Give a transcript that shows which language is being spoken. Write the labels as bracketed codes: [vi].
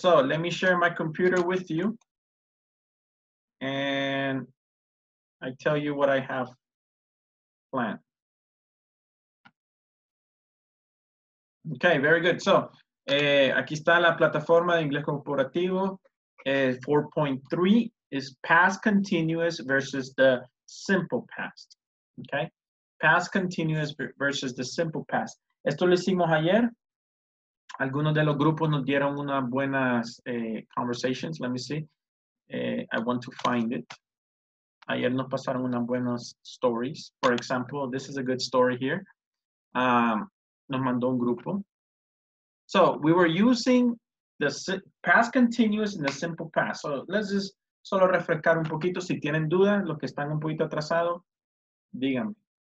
[en] So, let me share my computer with you. And I tell you what I have planned. Okay, very good. [es] So, aquí está la plataforma de Inglés Corporativo. [en] 4.3 is past continuous versus the simple past, okay? Past continuous versus the simple past. [es] Esto lo hicimos ayer. Algunos de los grupos nos dieron unas buenas conversations. [en] Let me see. I want to find it. [es] Ayer nos pasaron unas buenas [en] stories. For example, this is a good story here. [es] Nos mandó un grupo. [en] So we were using the past continuous and the simple past. So let's just [es] solo refrescar un poquito. Si tienen dudas, los que están un poquito atrasados, díganme.